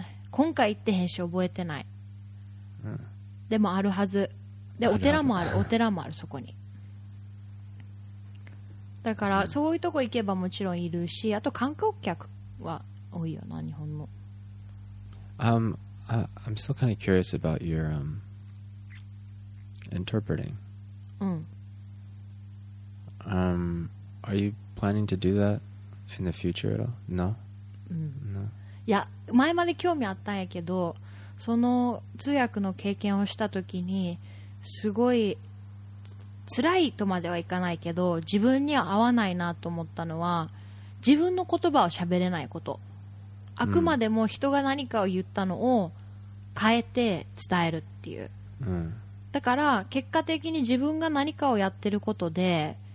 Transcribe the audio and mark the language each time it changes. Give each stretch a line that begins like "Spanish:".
Japanese: 今回行ってへんし覚えてない。でもあるはず。で、お寺もある、お寺もある、そこに。だから、そういうとこ行けばもちろんいるし、あと観光客は多いよな、日本の。
English: I'm still kind of curious about your interpreting. Are you planning to do that in the future at all? No? No.
Japanese: いや、前まで興味あったんやけど、その通訳の経験をしたときにすごい辛いとまではいかないけど自分には合わないなと思ったのは自分の言葉を喋れないこと、あくまでも人が何かを言ったのを変えて伝えるっていう、だから結果的に自分が何かをやってることで